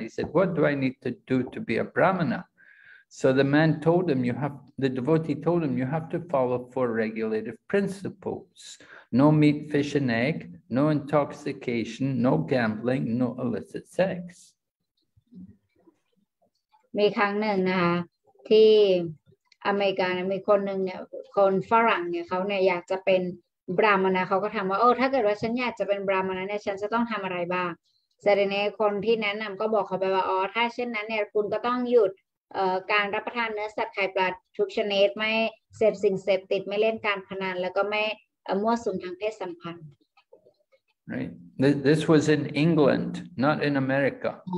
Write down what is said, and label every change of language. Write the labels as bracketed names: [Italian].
[English] He said, "What do I need to do to be a brahmana?" So the man told him, the devotee told him, "You have to follow four regulative principles: no meat, fish, and egg; no intoxication; no gambling; no illicit sex." [Thai] มีครั้งหนึ่งนะคะที่อเมริกามีคนหนึ่งเนี่ยคนฝรั่งเนี่ยเขาเนี่ยอยากจะเป็นบราหมณะเขาก็ถามว่าถ้าเกิดว่าฉันอยากจะเป็นบราหมณะเนี่ยฉันจะต้องทำอะไรบ้างเสร็จในคนที่แนะนำก็บอกเขาไปว่าถ้าเช่นนั้นเนี่ยคุณก็ต้องหยุดการรับประทานเนื้อสัตว์ไข่ปลาทุกชนิดไม่เสพสิ่งเสพติดไม่เล่นการพนันแล้วก็ไม่มั่วสุมทางเพศสัมพันธ์ [English] Right this was in England not in America